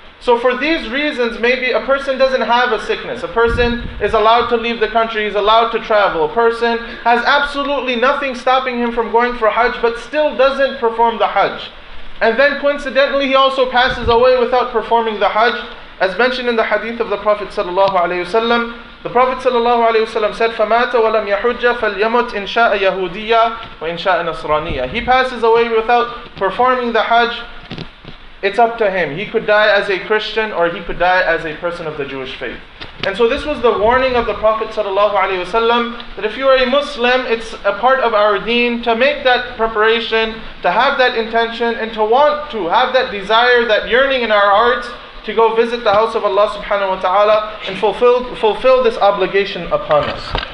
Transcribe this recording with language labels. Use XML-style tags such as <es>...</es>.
<en>So for these reasons, maybe a person doesn't have a sickness, a person is allowed to leave the country, he's allowed to travel, a person has absolutely nothing stopping him from going for Hajj, but still doesn't perform the Hajj. And then coincidentally, he also passes away without performing the Hajj. As mentioned in the hadith of the Prophet ﷺ, the Prophet ﷺ said,</en> <ar>فَمَاتَ وَلَمْ يَحُجَّ فَلْيَمُتْ إِنْ شَاءَ يَهُودِيَّ وَإِنْ شَاءَ نَصْرَانِيَّ.</ar> <en>He passes away without performing the Hajj. It's up to him. He could die as a Christian or he could die as a person of the Jewish faith. And so this was the warning of the Prophet ﷺ, that if you are a Muslim, it's a part of our deen to make that preparation, to have that intention, and to want to have that desire, that yearning in our hearts to go visit the house of Allah subhanahu wa ta'ala and fulfill this obligation upon us.</en>